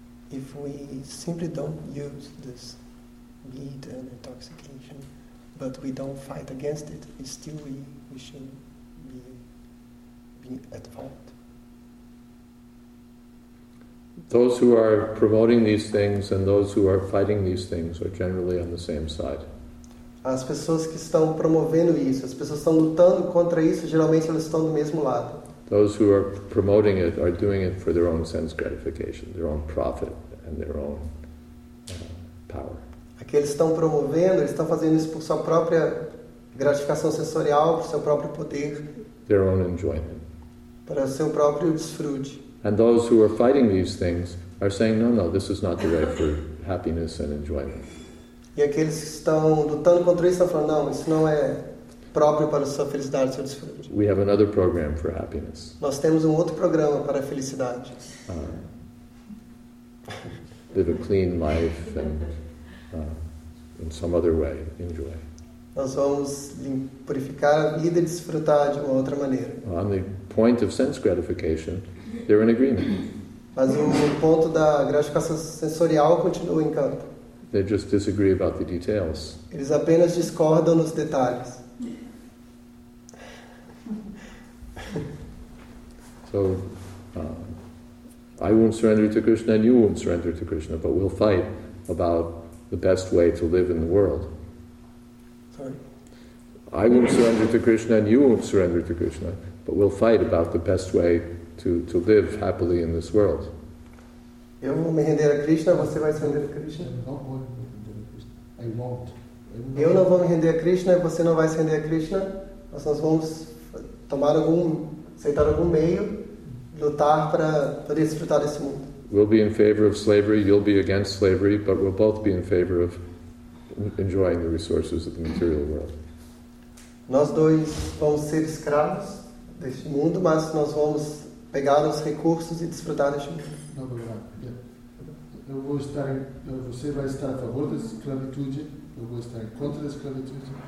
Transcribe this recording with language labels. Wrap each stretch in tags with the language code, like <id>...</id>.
<en>if we simply don't use this meat and intoxication, but we don't fight against it, still we should be at fault. Those who are promoting these things and those who are fighting these things are generally on the same side.</en> <pt>As pessoas que estão promovendo isso, as pessoas que estão lutando contra isso, geralmente elas estão do mesmo lado.</pt> <en>Those who are promoting it are doing it for their own sense gratification, their own profit, and their own power.</en> <pt>Aqueles estão promovendo, eles estão fazendo isso por sua própria gratificação sensorial, por seu próprio poder.</pt> <en>Their own enjoyment.</en> <pt>Para seu próprio desfrute.</pt> <en>And those who are fighting these things are saying, no, no, this is not the way for happiness and enjoyment.</en> <pt>E aqueles que estão lutando contra isso estão falando, não, isso não é próprio para sua felicidade e seu desfrute.</pt> <en>We have another program for happiness.</en> <pt>Nós temos outro programa para a felicidade.</pt> <en>Live a clean life and in some other way, enjoy.</en> <pt>Nós vamos purificar a vida e desfrutar de uma outra maneira.</pt> <en>On the point of sense gratification, they're in agreement.</en> <pt>Mas o ponto da gratificação sensorial continua em campo.</pt> <en>They just disagree about the details.</en> <pt>Eles apenas discordam nos detalhes.</pt> <en>So I won't surrender to Krishna and you won't surrender to Krishna, but we'll fight about the best way to live in the world. Sorry. I won't surrender to Krishna and you won't surrender to Krishna, but we'll fight about the best way to live happily in this world.</en> <pt>Eu vou me render a Krishna, você vai</pt> <en>surrender</en> <pt>a Krishna? Eu não vou me render a Krishna, você não vai se render a Krishna, mas nós vamos tomar aceitar algum meio, lutar para poder desfrutar desse mundo.</pt> <en>We'll be in favor of slavery, you'll be against slavery, but we'll both be in favor of enjoying the resources of the material world.</en> <pt>Nós dois vamos ser escravos deste mundo, mas nós vamos pegar os recursos e desfrutar deste mundo. Eu vou estar, você vai estar a favor da escravitude, eu vou estar contra a escravitude.</pt>